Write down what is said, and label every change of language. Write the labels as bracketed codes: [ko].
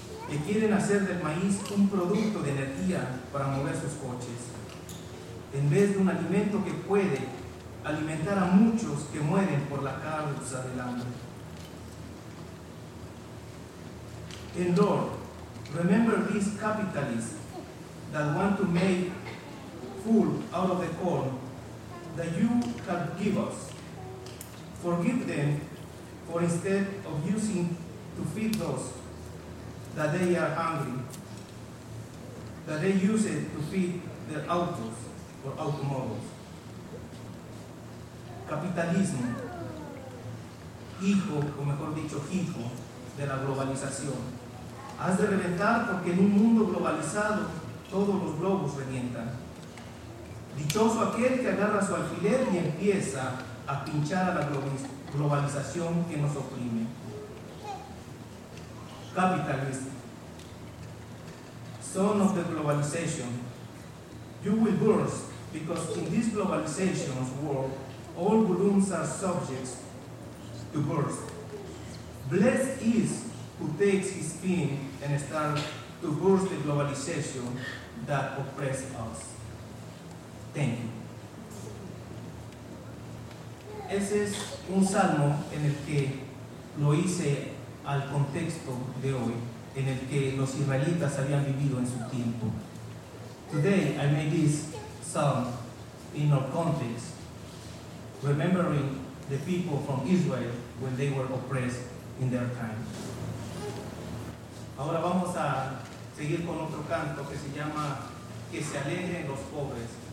[es] que quieren hacer del maíz un producto de energía para mover sus coches, en vez de un alimento que puede alimentar a muchos que mueren por la causa del hambre. [en] And Lord, remember these capitalists that want to make food out of the corn that you have given us. Forgive them for instead of using to feed those that they are hungry, that they use it to feed their autos or automobiles. [es] Capitalismo, hijo, o mejor dicho, hijo de la globalización. Has de reventar porque en un mundo globalizado todos los globos revientan. Dichoso aquel que agarra su alfiler y empieza a pinchar a la globalización que nos oprime. [en] Capitalist, son of the globalization, you will burst because in this globalization's world, all balloons are subjects to burst. Blessed is who takes his pin and starts to burst the globalization that oppresses us. Thank you. [es] Ese es un salmo en el que lo hice al contexto de hoy, en el que los israelitas habían vivido en su tiempo. [en] Today I made this psalm in our context, remembering the people from Israel when they were oppressed in their time. [es] Ahora vamos a seguir con otro canto que se llama Que se alegren los pobres.